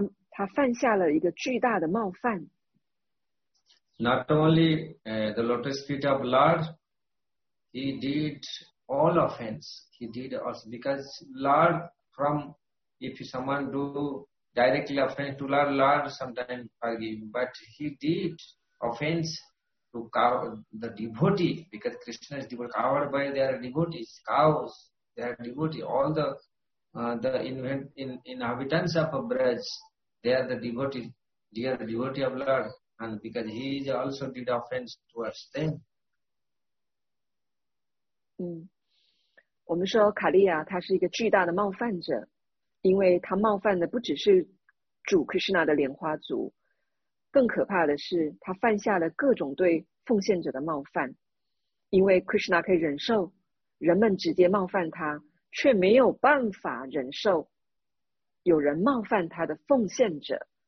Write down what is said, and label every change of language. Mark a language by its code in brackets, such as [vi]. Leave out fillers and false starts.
[zh] 他犯下了一个巨大的冒犯。 [en] Not only the lotus feet of Lord, he did all offense. He did also because Lord. From if someone do directly offense to Lord, sometimes forgive. But he did offense to cow, the devotee, because Krishna is devotee, covered by their devotees, cows, their devotee, all the inhabitants of Braj, they are the devotee, they are the devotee of Lord, and because he also did offense towards them. [zh] 我们说卡利亚他是一个巨大的冒犯者，因为他冒犯的不只是主 Krishna 的莲花族，更可怕的是他犯下了各种对奉献者的冒犯。因为 Krishna 可以忍受人们直接冒犯他，却没有办法忍受有人冒犯他的奉献者。